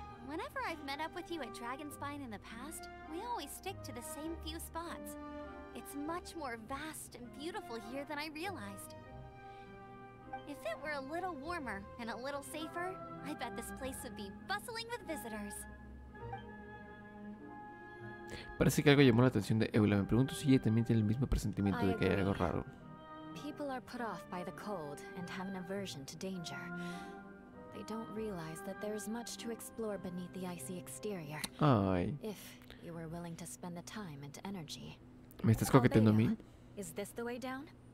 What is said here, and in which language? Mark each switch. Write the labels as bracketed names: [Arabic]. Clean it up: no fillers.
[English] Whenever I've met up with you at Dragonspine in the past, we always stick to the same few spots. It's much more vast and beautiful here than I realized. If it were a little warmer and a little safer, I bet this place would be bustling with visitors. [Spanish] Parece que algo llamó la atención de Eula. Me pregunto si ella también tiene el mismo presentimiento de que hay algo raro. [English] People are put off by the cold and have an aversion to danger. They don't realize that there is much to explore beneath the icy exterior. Ay. If you were willing to spend the time and energy. [Spanish] ¿Me estás coqueteando a mí? [English] Is this the way down?